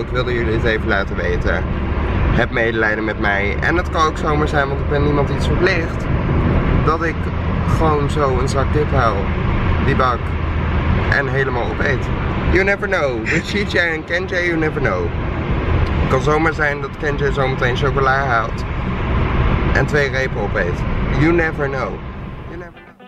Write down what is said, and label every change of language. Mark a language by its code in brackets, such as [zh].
[nl] Ik wilde jullie het even laten weten. Heb medelijden met mij. En het kan ook zomaar zijn, want ik ben niemand iets verplicht. Dat ik gewoon zo een zak dip haal. Die bak. En helemaal opeet. [en] You never know. With CJ en Kenji, you never know. [nl] Het kan zomaar zijn dat Kenji zometeen chocola haalt. En 2 repen opeet. [en] You never know. You never know.